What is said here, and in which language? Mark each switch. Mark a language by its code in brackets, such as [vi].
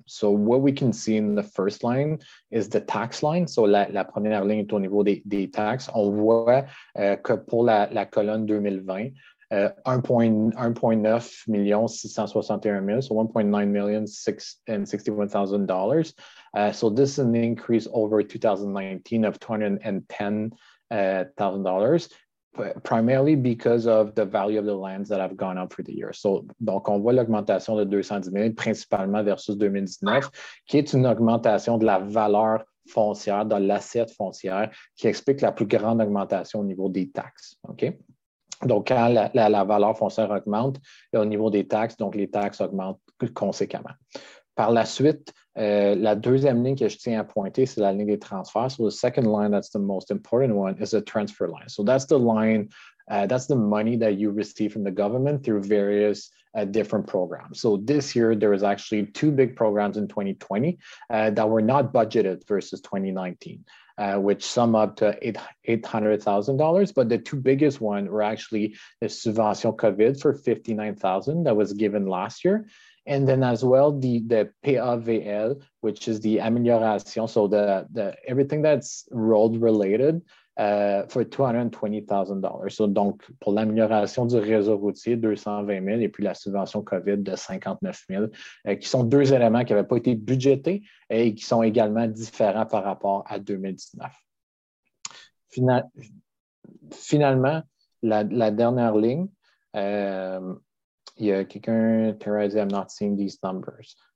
[en] So, what we can see in the first line is the tax line. [fr] So, la première ligne est au niveau des taxes. On voit que pour la colonne 2020, 1.9 million 661 000, [en] so $1.9 million 61,000. So, this is an increase over 2019 of $210,000. Primarily because of the value of the lands that have gone up for the year. [fr] So, donc, on voit l'augmentation de 210 000, principalement versus 2019, qui est une augmentation de la valeur foncière, de l'asset foncière, qui explique la plus grande augmentation au niveau des taxes. OK? Donc, quand la valeur foncière augmente, et au niveau des taxes, donc les taxes augmentent conséquemment. Par la suite, la deuxième ligne que je tiens à pointer, c'est la ligne des transferts. [en] So, the second line that's the most important one is the transfer line. So, that's the line, that's the money that you receive from the government through various different programs. So, this year, there was actually two big programs in 2020 that were not budgeted versus 2019. Which sum up to $800,000, but the two biggest ones were actually the subvention COVID for $59,000 that was given last year, and then as well the PAVL, which is the amélioration, so the everything that's road related for $220,000. [fr] So donc pour l'amélioration du réseau routier $220,000 et puis la subvention COVID de $59,000, qui sont deux éléments qui n'avaient pas été budgétés et qui sont également différents par rapport à 2019. Finalement, la dernière ligne, il y a quelqu'un, Thérèse, [en] I'm not seeing these numbers.